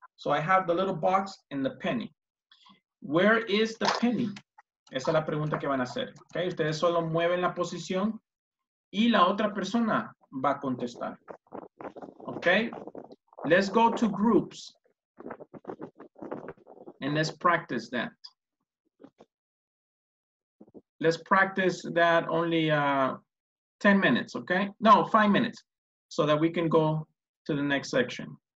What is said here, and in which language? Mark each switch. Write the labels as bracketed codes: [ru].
[en] So I have the little box and the penny. Where is the penny? [es] Esa es la pregunta que van a hacer, okay? Ustedes solo mueven la posición y la otra persona va a contestar, okay? [en] Let's go to groups and let's practice that. Let's practice that only 10 minutes, okay? No, 5 minutes, so that we can go to the next section.